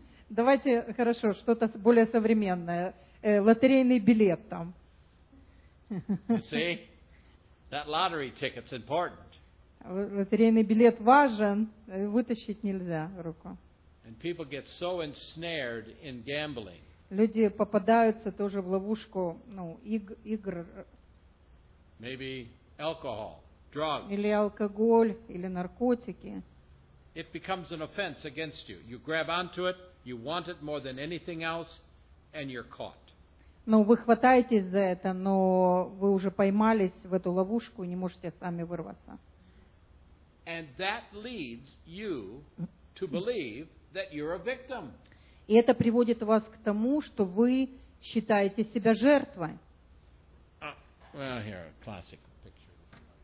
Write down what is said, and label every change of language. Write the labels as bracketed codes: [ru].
[ru] Давайте, хорошо, что-то более современное. Лотерейный билет там. [en] You see? That lottery ticket's important. [ru] Лотерейный билет важен, вытащить нельзя руку. [en] And people get so ensnared in gambling. [ru] Люди попадаются тоже в ловушку, игр. [en] Maybe alcohol, drugs. [ru] Или алкоголь, или наркотики. [en] It becomes an offense against you. You grab onto it, you want it more than anything else, and you're caught. [ru] Но вы хватаетесь за это, но вы уже поймались в эту ловушку и не можете сами вырваться. [en] And that leads you to believe that you're a victim. [ru] И это приводит вас к тому, что вы считаете себя жертвой. [en] Well, here, a classic picture.